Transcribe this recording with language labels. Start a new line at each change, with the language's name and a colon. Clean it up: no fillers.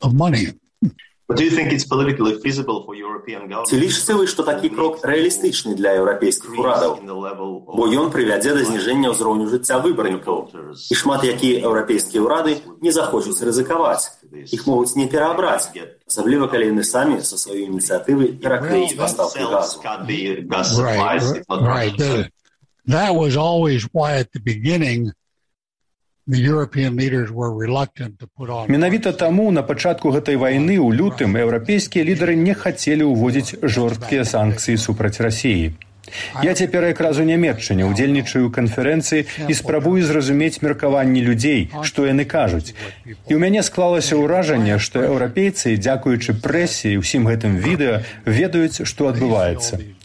English: Do you think it's politically feasible for European governments?
Ukrainian: Чи лічите ви, що такий крок реалістичний для європейських урядів? Бо він приведе до зниження рівня життя виборників. І шмат які європейські уряди не захочуть ризикувати. Їх можуть не переобрати. Особливо, коли вони самі зі своєї ініціативи перекриють поставки газу.
English: Right. That was always why at the beginning the European leaders were reluctant to put on.
Belarusian: Менавіта тому на початку гэтай вайны ў лютым еўрапейскія лідары не хацелі ўводзіць жорсткія санкцыі супраць Расіі. Я цяпер якраз у Нямеччыне ўдзельнічаю ў канферэнцыі і спрабую зразумець меркаванні людзей, што яны кажуць. І ў мяне склалася ўражанне, што еўрапейцы, дзякуючы прэсе і ўсім гэтым відэа, ведаюць, што адбываецца.